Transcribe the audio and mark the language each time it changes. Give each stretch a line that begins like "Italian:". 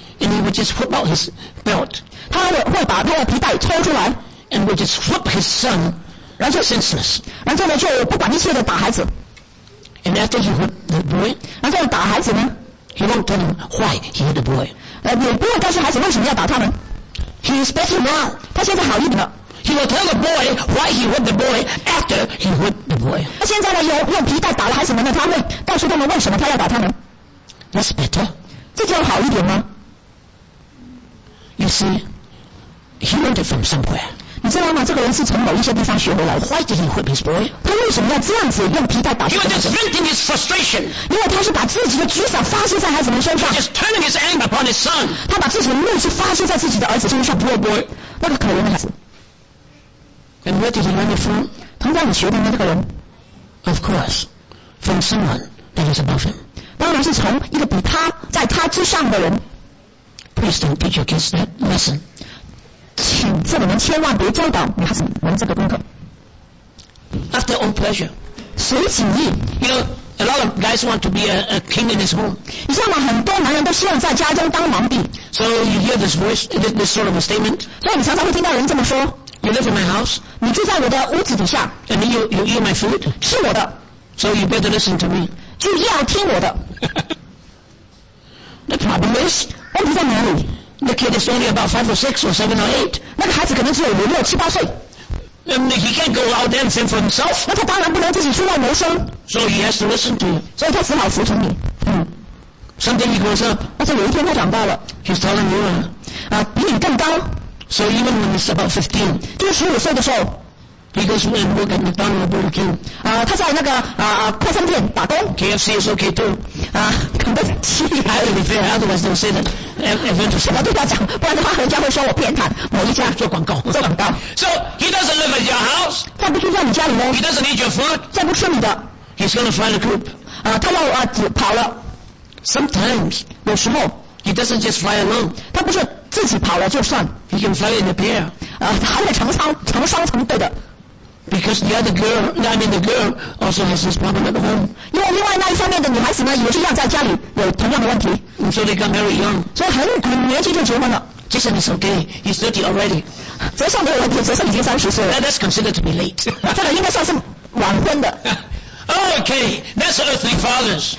English: And he would just whip out his belt.
Chinese: 他会把他的皮带抽出来。
English: And would just whip his son.
Chinese: 然后
English: senseless.
Chinese: 然后呢，就不管一切的打孩子。
English: And after he whipped the boy.
Chinese: 然后打孩子呢？
English: He won't tell him why he hit the boy.
Chinese: 也不会告诉孩子为什么要打他们。
English: He is better now.
Chinese: 他现在好一点了。
English: He will tell the boy why he hit the boy after he hit the boy.
Chinese: 那现在呢？用皮带打了孩子们呢？他会告诉他们为什么他要打他们。
English: That's better.
Chinese: 这就好一点吗？
English: You see, he learned it from somewhere.
Chinese: 你知道吗？这个人是从某一些地方学回来。
English: Why did he whip his boy?
Chinese: 他为什么要这样子用皮带打孩子？
English: He was just venting his frustration.
Chinese: 因为他是把自己的沮丧发泄在孩子们身上。
English: He was just turning his anger upon his son.
Chinese: 他把自己的怒气发泄在自己的儿子身上。
English: Poor boy.
Chinese: 那个可怜的孩子。
English: And where did he learn it from?
Chinese: 从哪里学的呢？这个人。
English: Of course, from someone that is above him.
Chinese: 当然是从一个比他在他之上的人。
English: Please don't teach your kids that lesson.
Chinese: 请这个人千万别教导你孩子们这个功课。
English: After own pleasure,
Chinese: 随己意。
English: You know, a lot of guys want to be a king in his home.
Chinese: 你知道吗？很多男人都希望在家中当王帝。
English: So you hear this voice, this sort of a statement.
Chinese: 所以你常常会听到人这么说。
English: You live in my house.
Chinese: 你住在我的屋子底下。
English: And you eat my food.
Chinese: 吃我的。
English: So you better listen to me.
Chinese: 就要听我的。
English: The problem is,
Chinese: 问题在哪里？
English: The kid is only about 5 or 6 or 7 or 8.
Chinese: 那个孩子可能只有5、6、7、8岁。
English: He can't go out there and think for himself.
Chinese: 那他当然不能自己出来谋生。
English: So he has to listen to you.
Chinese: 所以他只好服从你。
English: Someday he grows up.
Chinese: 那就有一天他长大了。
English: He's taller than you.
Chinese: 比你更高。
English: So even when he's about 15.
Chinese: 就是15岁的时候。
English: He goes and work at McDonald's Burger King.
Chinese: 他在那个快餐店打工。
English: KFC is okay too.
Chinese: 肯德基。
English: I have to be fair, otherwise they'll say that.
Chinese: 什么都要讲，不然的话人家会说我偏袒某一家做广告。做广告。
English: So he doesn't live at your house.
Chinese: 再不住在你家里呢。
English: He doesn't eat your food.
Chinese: 再不吃你的。
English: He's gonna find a group.
Chinese: 他要跑了。
English: Sometimes
Chinese: 有时候
English: he doesn't just fly alone.
Chinese: 他不是自己跑了就算。
English: He can fly in a pair.
Chinese: 他也成双成对的。
English: Because the other girl, I mean the girl, also has this problem at home.
Chinese: 因为另外那一方面的女孩子呢，也是一样在家里有同样的问题。
English: And so they got married young.
Chinese: 所以很年轻就结婚了。
English: Jason is okay. He's 30 already.
Chinese: 泽上没有问题，泽上已经30岁了。
English: That's considered to be late.
Chinese: 这个应该算是晚婚的。
English: Okay, that's earthly fathers.